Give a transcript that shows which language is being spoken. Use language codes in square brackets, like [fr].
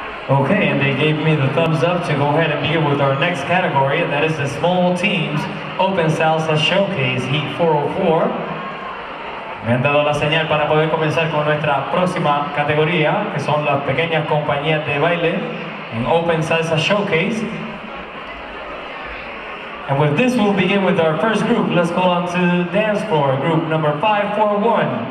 [en] Okay, and they gave me the thumbs up to go ahead and begin with our next category, and that is the Small Teams Open Salsa Showcase, Heat 404. [es] Me han dado la señal para poder comenzar con nuestra próxima categoría, que son las pequeñas compañías de baile, en Open Salsa Showcase. [en] And with this, we'll begin with our first group. Let's go on to the dance floor, group number 541.